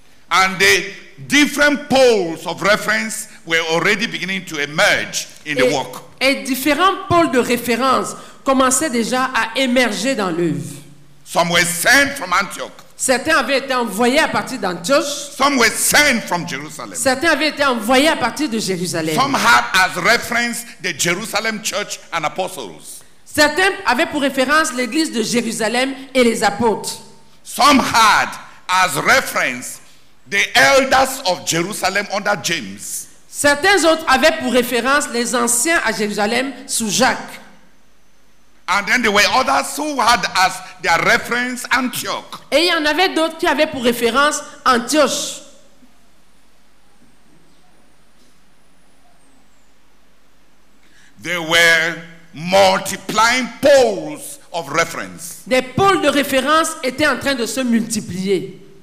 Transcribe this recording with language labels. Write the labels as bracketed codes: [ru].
[en] And the different poles of reference were already beginning to emerge in the work. [fr] Et différents pôles de référence commençaient déjà à émerger dans l'œuvre. [en] Some were sent from Antioch. [fr] Certains avaient été envoyés à partir d'Antioche. [en] Some were sent from Jerusalem. [fr] Certains avaient été envoyés à partir de Jérusalem. [en] Some had as reference the Jerusalem church and apostles. [fr] Certains avaient pour référence l'église de Jérusalem et les apôtres. [en] Some had as reference the elders of Jerusalem under James. [fr] Certains autres avaient pour référence les anciens à Jérusalem sous Jacques. [en] And then there were others who had as their reference Antioch. [fr] Et il y en avait d'autres qui avaient pour référence Antioche. [en] There were multiplying poles of reference. [fr] Des pôles de référence étaient en train de se multiplier.